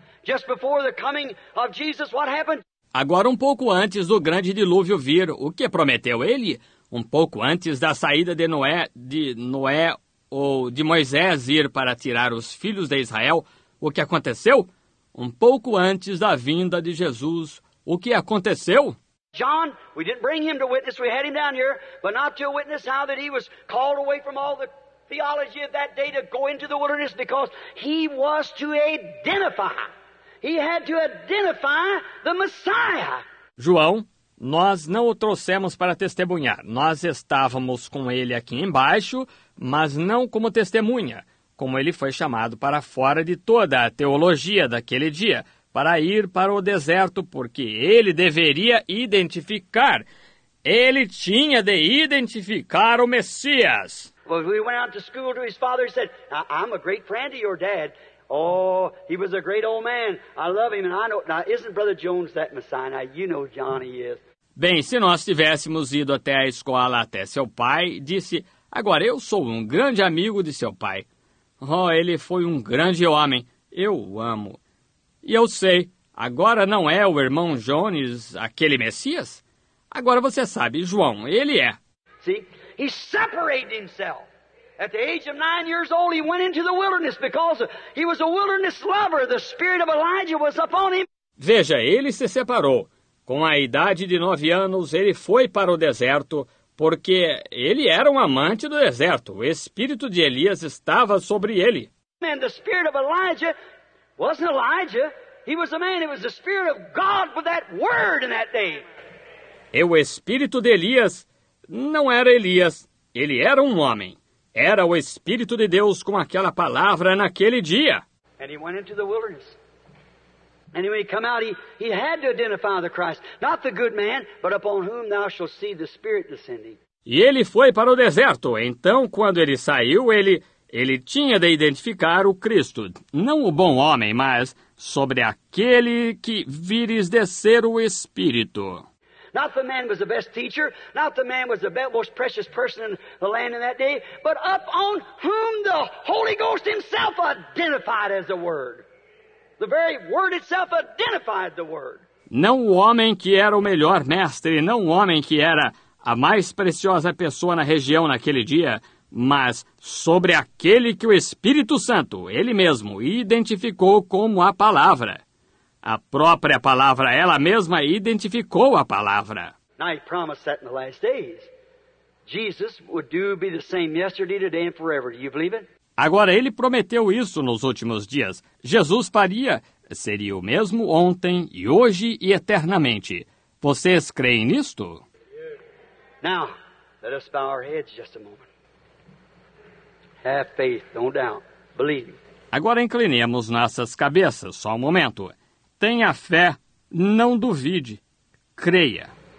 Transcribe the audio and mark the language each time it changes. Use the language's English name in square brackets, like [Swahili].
[English] Just before the coming of Jesus, what happened? [Portuguese] Agora, um pouco antes do grande dilúvio vir, o que prometeu ele? Um pouco antes da saída de Noé ou de Moisés ir para tirar os filhos de Israel, o que aconteceu? Um pouco antes da vinda de Jesus, o que aconteceu? [English] John, we didn't bring him to witness, we had him down here, but not to witness how that he was called away from all the theology of that day to go into the wilderness because he was to identify. He had to identify the Messiah. [Portuguese] João, nós não o trouxemos para testemunhar. Nós estávamos com ele aqui embaixo, mas não como testemunha, como ele foi chamado para fora de toda a teologia daquele dia, para ir para o deserto, porque ele deveria identificar. Ele tinha de identificar o Messias. [English] Well, we went out to school to his father. He said, I'm a great friend of your dad. Oh, he was a great old man. I love him and I know. Now, isn't Brother Jones that Messiah? Now, you know Johnny is. [Portuguese] Bem, se nós tivéssemos ido até a escola, até seu pai, disse, agora eu sou um grande amigo de seu pai. Oh, ele foi um grande homem. Eu o amo. E eu sei, agora não é o irmão Jones aquele Messias? Agora você sabe, João, ele é. [English] See, he separated himself. At the age of 9 years old, he went into the wilderness because he was a wilderness lover. The spirit of Elijah was upon him. [Portuguese] Veja, ele se separou. Com a idade de 9 anos, ele foi para o deserto, porque ele era um amante do deserto. O espírito de Elias estava sobre ele. [English] And the spirit of Elijah wasn't Elijah. He was a man. It was the spirit of God with that word in that day. [Portuguese] E o espírito de Elias não era Elias. Ele era um homem. Era o Espírito de Deus com aquela palavra naquele dia. [English] And he went into the wilderness. And when he came out, he had to identify the Christ. Not the good man, but upon whom thou shalt see the Spirit descending. [Portuguese] E ele foi para o deserto. Então, quando ele saiu, ele tinha de identificar o Cristo. Não o bom homem, mas sobre aquele que vires descer o Espírito. [English] Not the man was the best teacher, not the man was the most precious person in the land in that day, but up on whom the Holy Ghost himself identified as the Word. The very Word itself identified the Word. [Portuguese] Não o homem que era o melhor mestre, não o homem que era a mais preciosa pessoa na região naquele dia, mas sobre aquele que o Espírito Santo, ele mesmo, identificou como a Palavra. A própria palavra, ela mesma identificou a palavra. [English] Now he promised that in the last days. Jesus would do be the same yesterday, today and forever. Do you believe it? [Portuguese] Agora ele prometeu isso nos últimos dias. Jesus faria, seria o mesmo ontem e hoje e eternamente. Vocês creem nisto? [English] Now, let us bow our heads just a moment. Have faith, don't doubt. Believe. [Portuguese] Agora inclinemos nossas cabeças, só um momento. Tenha fé, não duvide, creia.